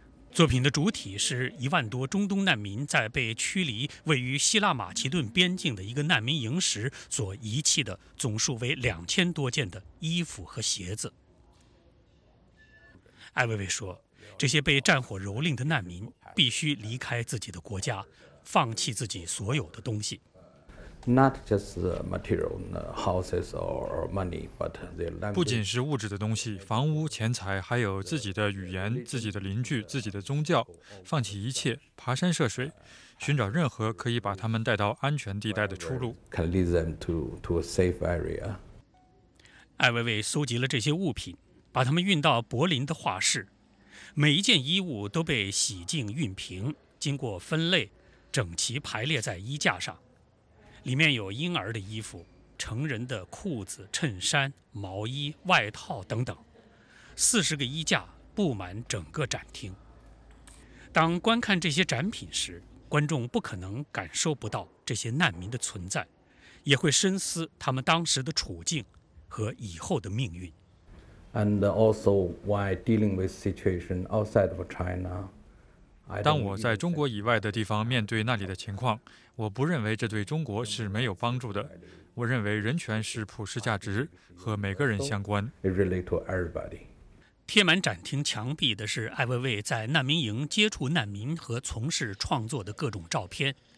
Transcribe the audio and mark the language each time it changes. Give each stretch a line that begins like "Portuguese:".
Chinese: 作品的主体是10000多中东难民在被驱离位于希腊马其顿边境的一个难民营时所遗弃的总数为2000多件的衣服和鞋子。艾薇薇说，这些被战火蹂躏的难民必须离开自己的国家，放弃自己所有的东西。
English: Not just material, houses or money, but their language.
Chinese: 不仅是物质的东西，房屋、钱财，还有自己的语言、自己的邻居、自己的宗教，放弃一切，爬山涉水，寻找任何可以把他们带到安全地带的出路。
English: Can lead them to a safe area.
Chinese: 艾薇薇搜集了这些物品，把他们运到柏林的画室，每一件衣物都被洗净、熨平，经过分类。整齐排列在衣架上，里面有婴儿的衣服、成人的裤子、衬衫、毛衣、外套等等。 40个衣架布满整个展厅。当观看这些展品时，观众不可能感受不到这些难民的存在，也会深思他们当时的处境和以后的命运。
English: And also why dealing with situation outside of China
Chinese: 当我在中国以外的地方面对那里的情况，我不认为这对中国是没有帮助的。我认为人权是普世价值，和每个人相关。贴满展厅墙壁的是艾薇薇在难民营接触难民和从事创作的各种照片。